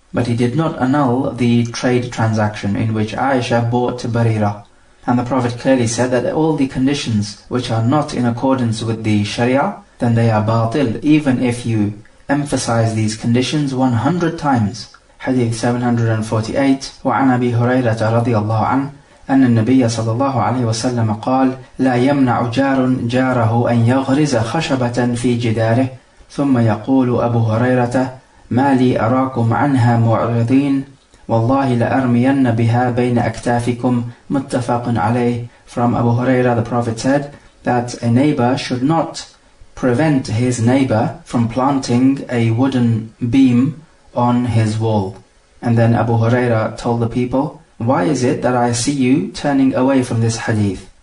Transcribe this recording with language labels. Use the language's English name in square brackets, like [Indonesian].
[English] But he did not annul the trade transaction in which Aisha bought Barira. And the Prophet clearly said that all the conditions which are not in accordance with the Sharia, then they are batil, even if you emphasize these conditions 100 times. Hadith 748, [Arabic] وعن أبي هريرة رضي الله عنه أن النبي صلى الله عليه وسلم قال لا يمنع جار جاره أن يغرز خشبة في جداره ثم يقول أبو هريرة ما لي أراكم عنها معرضين والله لأرمين بها بين أكتافكم متفق عليه. [English] From Abu Huraira, the Prophet said that a neighbor should not prevent his neighbor from planting a wooden beam on his wall. And then Abu Huraira told the people, why is it that I see you turning away from this hadith?